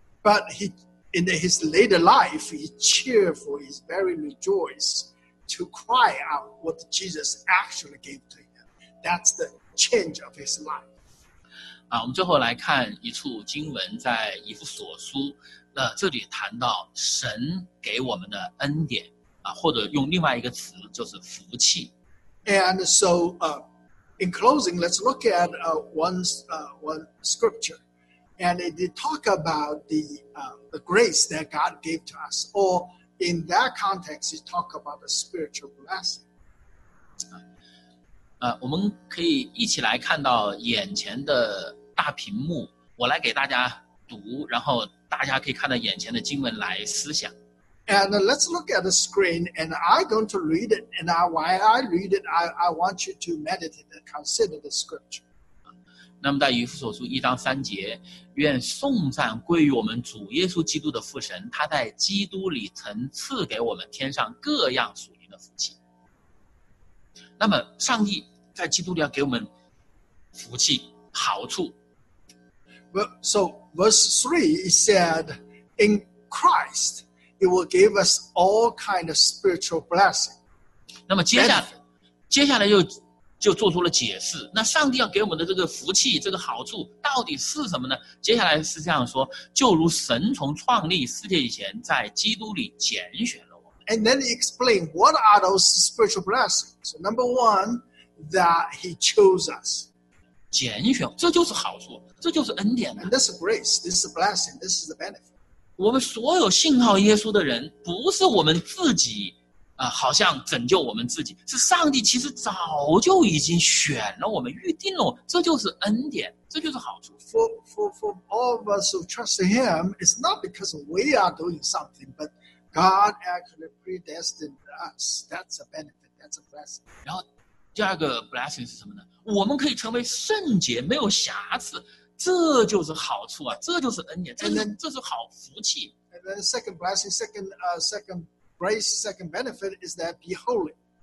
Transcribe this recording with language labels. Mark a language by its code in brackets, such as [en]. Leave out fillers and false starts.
[en] But he, in his later life, he cheerful, he's very rejoiced to cry out what Jesus actually gave to him. That's the change of his life. [zh] 啊，我们最后来看一处经文，在以弗所书，这里谈到神给我们的恩典。或者用另外一个词就是福气。 [en] And so, in closing, let's look at one scripture. And it talk about the grace that God gave to us. Or in that context, it talk about the spiritual blessing. [zh] 我们可以一起来看到眼前的大屏幕，我来给大家读，然后大家可以看到眼前的经文来思想。 [en] And let's look at the screen, and I'm going to read it. And while I read it, I want you to meditate and consider the scripture. [zh] 那么在以弗所书一章三节，愿颂赞归于我们主耶稣基督的父神，他在基督里曾赐给我们天上各样属灵的福气。那么上帝在基督里要给我们福气、好处。 [en] So verse 3, it said, in Christ,It will give us all kind of spiritual blessing. [zh] 那么接下来就做出了解释。那上帝要给我们的这个福气、这个好处到底是什么呢？接下来是这样说：就如神从创立世界以前，在基督里拣选了我们。 [en] And then he explained what are those spiritual blessings. So number one, that he chose us. [zh] 拣选，这就是好处，这就是恩典。 [en] And this is grace. This is a blessing. This is the benefit. [zh] 我们所有信靠耶稣的人，不是我们自己，好像拯救我们自己，是上帝其实早就已经选了我们，预定了我们，这就是恩典，这就是好处。 [en] For all of us who trust Him, it's not because we are doing something, but God actually predestined us. That's a benefit. That's a blessing. [zh] 然后，第二个 blessing 是什么呢？我们可以成为圣洁，没有瑕疵。这就是好处啊，这就是恩典，这是好福气。 [en] And then the second blessing, second grace, second benefit is that be holy.